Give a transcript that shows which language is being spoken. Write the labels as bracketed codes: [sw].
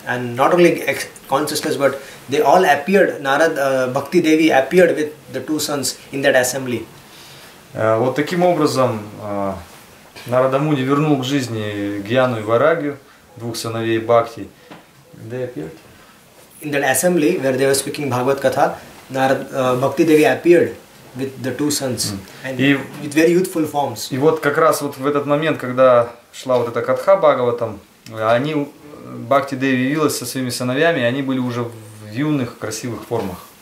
[en] And not only consciousness, but they all appeared, Narad Bhakti Devi appeared with the two sons in that assembly. [ru] Вот таким образом, Нарада Муни вернул к жизни Гьяну и Вайрагью, двух сыновей Бхакти. [en] They appeared. In that assembly where they were speaking Bhagavad Katha, Bhakti Devi appeared with the two sons and with very youthful forms. [ru] И вот как раз вот в этот момент, когда шла вот эта Катха Бхагаватам, они Бхакти Деви явилась со своими сыновьями, и они были уже в юных, красивых формах.